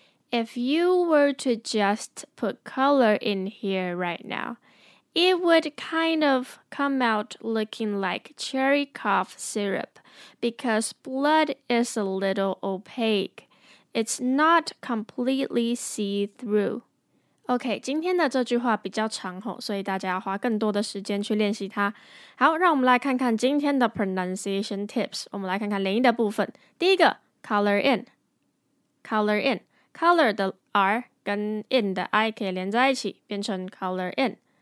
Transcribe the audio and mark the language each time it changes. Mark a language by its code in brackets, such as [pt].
[en] If you were to just put color in here right now, it would kind of come out looking like cherry cough syrup because blood is a little opaque. It's not completely see-through. [zh] OK, 今天的这句话比较长吼，所以大家要花更多的时间去练习它。好，让我们来看看今天的 pronunciation tips。我们来看看连音的部分。第一个 color in, color 的 r 跟 in 的 i 可以连在一起，变成 color in。